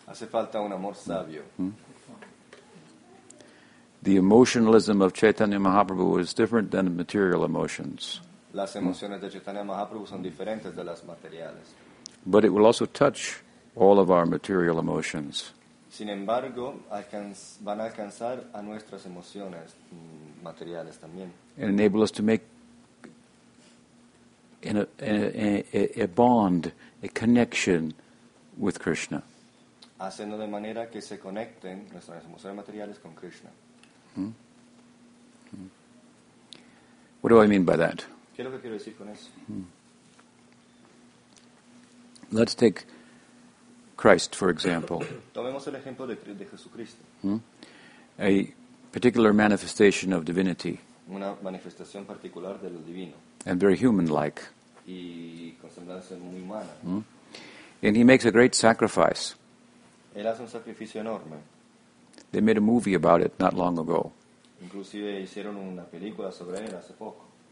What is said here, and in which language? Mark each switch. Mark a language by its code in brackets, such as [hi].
[es] Hace falta un amor sabio. [en] The emotionalism of Chaitanya Mahaprabhu is different than material emotions. [es] Las emociones de Chaitanya Mahaprabhu son diferentes de las materiales. [en] But it will also touch all of our material emotions. [es] Sin embargo, van a alcanzar a nuestras emociones materiales también. [en] And enable us to make a bond, a connection with Krishna. [es] Haciendo de manera que se conecten nuestras emociones materiales con Krishna. [en] What do I mean by that? [es] ¿Qué es lo que quiero decir con eso? [en] Let's take Christ, for example. [es] Tomemos el ejemplo de Jesucristo. [en] A particular manifestation of divinity. [es] Una manifestación particular de lo divino. [en] And very human-like. [es] Y con semblanza muy humana. [en] And he makes a great sacrifice. [es] Él hace un sacrificio enorme. [en] They made a movie about it not long ago. [es] Inclusive hicieron una película sobre él hace poco.